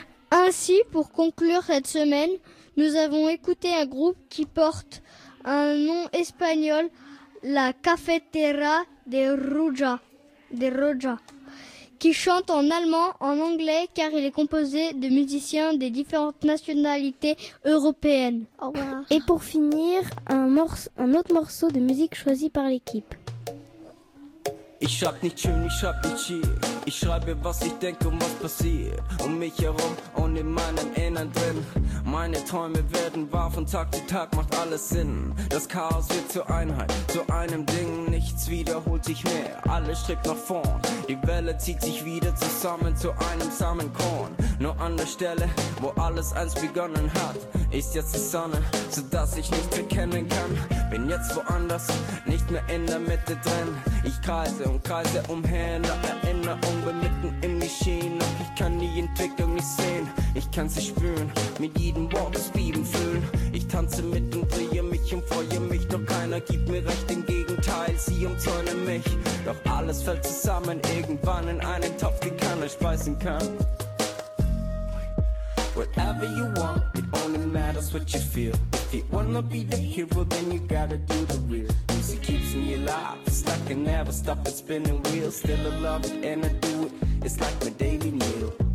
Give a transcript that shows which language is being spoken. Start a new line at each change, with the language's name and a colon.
French: Ainsi, pour conclure cette semaine, nous avons écouté un groupe qui porte un nom espagnol, la Cafetera de Roja, qui chante en allemand, en anglais, car il est composé de musiciens des différentes nationalités européennes. Au revoir. Et pour finir, un autre morceau de musique choisi par l'équipe.
German: Ich hab nicht schön, ich hab nicht hier. Ich schreibe, was ich denke und was passiert um mich herum und in meinem Innern drin. Meine Träume werden wahr, von Tag zu Tag macht alles Sinn. Das Chaos wird zur Einheit, zu einem Ding. Nichts wiederholt sich mehr, alles strebt nach vorn. Die Welle zieht sich wieder zusammen zu einem Samenkorn. Nur an der Stelle, wo alles einst begonnen hat, ist jetzt die Sonne, sodass ich nichts erkennen kann. Bin jetzt woanders, nicht mehr in der Mitte drin. Ich kreise und kreise umher in der Erinnerung, bin mitten im Geschehen. Ich kann die Entwicklung nicht sehen, ich kann sie spüren, mit jedem Wort das Beben fühlen. Ich tanze mit und drehe mich und freue mich, doch keiner gibt mir recht, im Gegenteil, sie umzäunen mich. Doch alles fällt zusammen, irgendwann in einen Topf, den keiner speisen kann.
English: Whatever you want, it only matters what you feel. If you wanna be the hero, then you gotta do the real. Music keeps me alive, it's like I never stop it spinning wheels. Still I love it and I do it, it's like my daily meal.